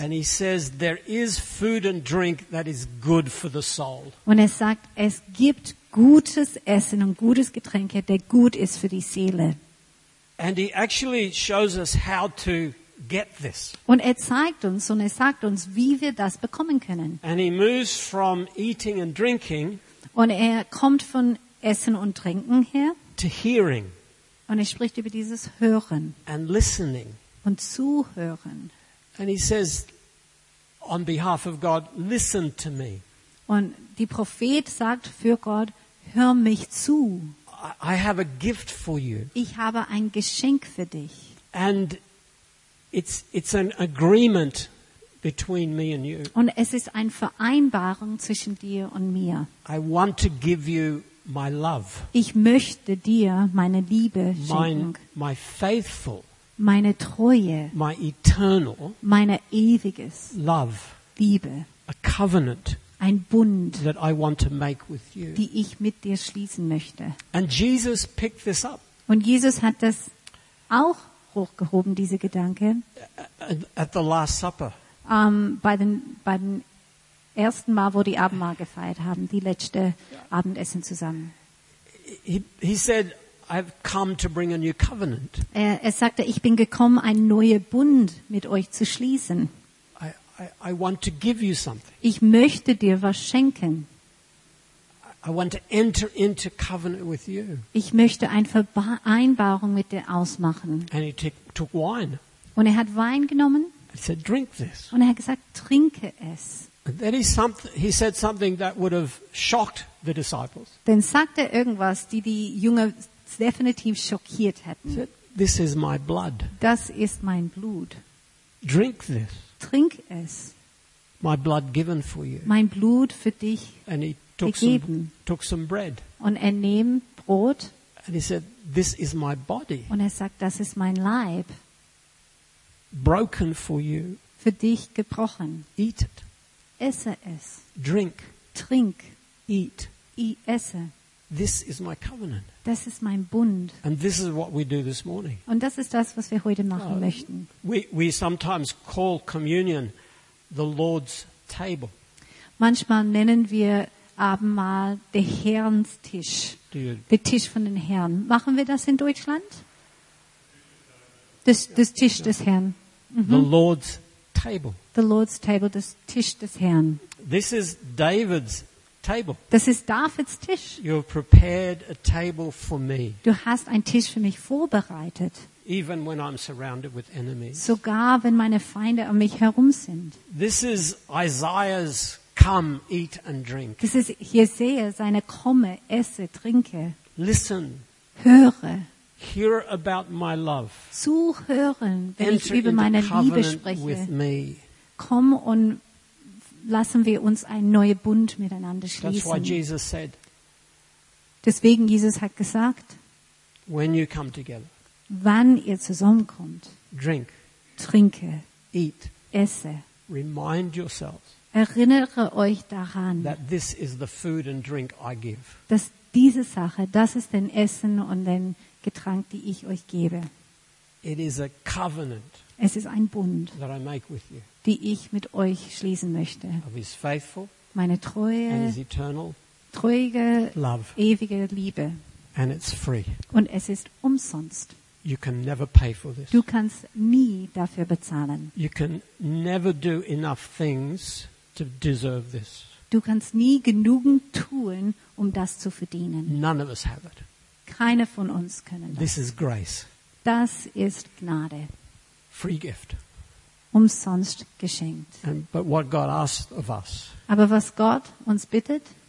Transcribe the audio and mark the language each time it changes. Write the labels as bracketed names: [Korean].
[English] And he says, there is food and drink that is good for the soul. [German] Und er sagt, es gibt gutes Essen und gutes Getränk, der gut ist für die Seele. [English] And he actually shows us how to get this. [German] Und er zeigt uns und er sagt uns, wie wir das bekommen können. [English] And he moves from eating and drinking. [German] Und er kommt von Essen und Trinken her. [English] To hearing. [German] Und er spricht über dieses Hören. [English] And listening. [German] Und Zuhören. [English] And he says, on behalf of God, listen to me. [German] Und die Prophet sagt für Gott, hör mich zu. [English] I have a gift for you. [German] Ich habe ein Geschenk für dich. [English] And it's an agreement between me and you. [German] Und es ist eine Vereinbarung zwischen dir und mir. [English] I want to give you my love. [German] Ich möchte dir meine Liebe schenken. [English] My faithful. [German] Meine Treue. [English] My eternal. [German] Meine ewiges. [English] Love. [German] Liebe. [English] A covenant. [German] Ein Bund, [English] that I want to make with you. [German] Die ich mit dir schließen möchte. [English] And Jesus picked this up. [German] Und Jesus hat das auch hochgehoben, diese Gedanke. [English] At the Last Supper. [German] Beim ersten Mal, wo die Abendmahl gefeiert haben, die letzte Abendessen zusammen. [English] He said, I've come to bring a new covenant. [German] Er sagte, ich bin gekommen, einen neuen Bund mit euch zu schließen. [English] I want to give you something. [German] Ich möchte dir was schenken. [English] I want to enter into covenant with you. [German] Ich möchte eine Vereinbarung mit dir ausmachen. [English] And he took wine. [German] Und er hat Wein genommen. [English] He said, drink this. [German] Und er hat gesagt, trinke es. [English] And then he said something that would have shocked the disciples. [German] Dann sagte er irgendwas, die Jünger definitiv schockiert hätten. [English] Said, this is my blood. [German] Das ist mein Blut. [English] Drink this. [German] Trink es. [English] My blood given for you. [German] Mein Blut für dich. [English] And he took some bread. [German] Und er nahm Brot. [English] And he said, this is my body. [German] Und er sagt, das ist mein Leib. [English] Broken for you. [German] Für dich gebrochen. [English] Eat it. [German] Esse es. [English] Drink. [German] Trink. [English] Eat. [German] Esse. [English] This is my covenant. [German] Das ist mein Bund. [English] And this is what we do this morning. [German] Und das ist das, was wir heute machen möchten. [English] We sometimes call communion the Lord's table. [German] Manchmal nennen wir Abendmahl der Herrenstisch. Der Tisch von den Herren. Machen wir das in Deutschland? Das Tisch des Herrn. [English] Mhm. The Lord's table. The Lord's table, [German] das Tisch des Herrn. [English] This is David's table. [German] Das ist Davids Tisch. [English] You have prepared a table for me. [German] Du hast einen Tisch für mich vorbereitet. [English] Even when I'm surrounded with enemies. [German] Sogar wenn meine Feinde um mich herum sind. [English] This is Isaiah's come, eat and drink. [German] Das ist Jesaja, seine komme, esse, trinke. [English] Listen. [German] Höre. [English] Hear about my love. [German] Zuhören, wenn ich über meine Liebe spreche. [English] With me. [German] Komm und lassen wir uns einen neuen Bund miteinander schließen. [English] That's why Jesus said, [German] deswegen Jesus hat gesagt, [English] when you come together, [German] wann ihr zusammenkommt, [English] drink, [German] trinke, [English] eat, [German] esse, [English] remind yourselves, [German] erinnere euch daran, [English] that this is the food and drink I give. [German] Dass diese Sache, das ist den Essen und den Getränk, die ich euch gebe. [English] It is a covenant. [German] Es ist ein Bund, [English] that I make with you, [German] die ich mit euch schließen möchte. [English] Of his faithful, [German] meine Treue, [English] and his eternal, [German] treue, [English] love, [German] ewige Liebe. [English] And it's free. [German] Und es ist umsonst. [English] You can never pay for this. [German] Du kannst nie dafür bezahlen. [English] You can never do enough things to deserve this. [German] Du kannst nie genügend tun, um das zu verdienen. [English] None of us have it. [German] Keiner von uns können das. [English] This is grace. [German] Das ist Gnade. [English] Free gift. [German] Umsonst geschenkt. [English] But what God asks of us, [German] aber was Gott uns bittet,